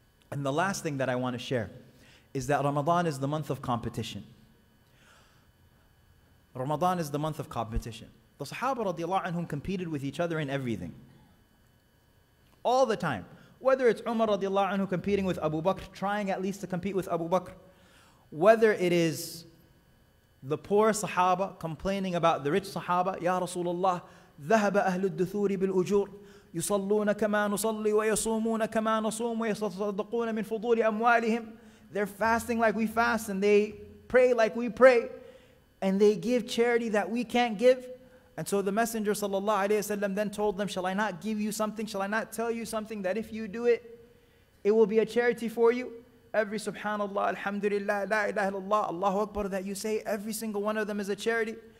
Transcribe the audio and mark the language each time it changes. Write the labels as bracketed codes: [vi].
[en] And the last thing that I want to share is that Ramadan is the month of competition. Ramadan is the month of competition. The Sahaba radiallahu anhum competed with each other in everything. All the time. Whether it's Umar radiallahu anhu competing with Abu Bakr, trying at least to compete with Abu Bakr. Whether it is the poor Sahaba complaining about the rich Sahaba, Ya Rasulullah, [ar] ذَهَبَ أَهْلُ الدُّثُورِ بِالْأُجُورِ يُصَلُّونَ كَمَا نُصَلِّ وَيَصُومُونَ كَمَا نُصُومُ وَيَصَدَّقُونَ مِنْ فُضُولِ أَمْوَالِهِمْ. [en] They're fasting like we fast, and they pray like we pray, and they give charity that we can't give. And so the Messenger sallallahu alayhi wa sallam then told them, shall I not give you something? Shall I not tell you something that if you do it, it will be a charity for you? Every subhanallah, alhamdulillah, la ilaha illallah, Allahu Akbar that you say, every single one of them is a charity.